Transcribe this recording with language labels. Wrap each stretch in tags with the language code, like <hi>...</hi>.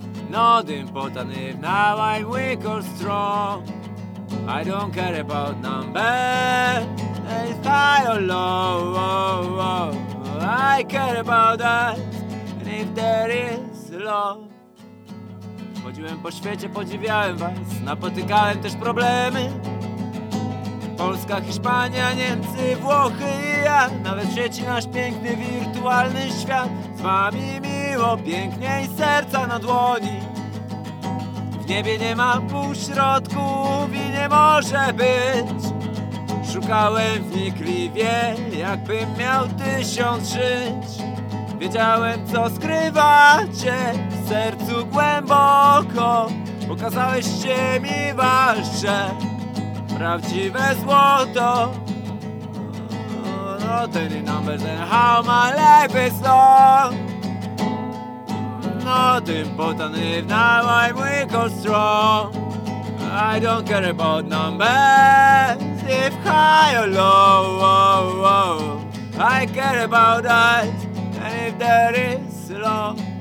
<en>Not important if now I'm weak or strong. I don't care about numbers, it's high or low. Oh, oh, oh. I care about us and if there is love.</en> <pl>Chodziłem po świecie, podziwiałem was, napotykałem też problemy. Polska, Hiszpania, Niemcy, Włochy i ja. Nawet w sieci nasz piękny, wirtualny świat. Z wami miło, piękniej serca na dłoni. W niebie nie ma półśrodków i nie może być. Szukałem wnikliwie, jakbym miał tysiąc żyć. Wiedziałem, co skrywacie w sercu głęboko. Pokazałyście mi wasze prawdziwe złoto.</pl> <en>Not any numbers and how my life is long. Not important if now I'm weak or strong. I don't care about numbers, if high or low. Oh, oh. I care about us and if there is love.</en>